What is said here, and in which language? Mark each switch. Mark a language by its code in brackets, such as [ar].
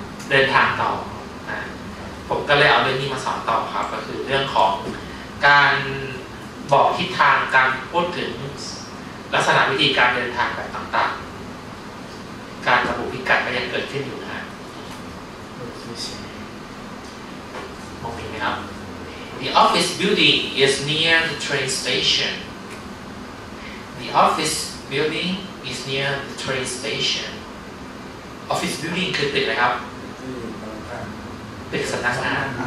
[th] เดินทางต่อนะผมก็เลยเอาเรื่องนี้มาสอนต่อครับก็คือเรื่องของการบอกทิศทางการพูดถึงลักษณะวิธีการเดินทางแบบต่างๆการระบุพิกัดก็ยังเกิดขึ้นอยู่นะโอเคไหมครับ [en] The office building is near the train station. The office buildingis near the train station. [th] Office building คือตึกอะไรครับตึกสำนักงาน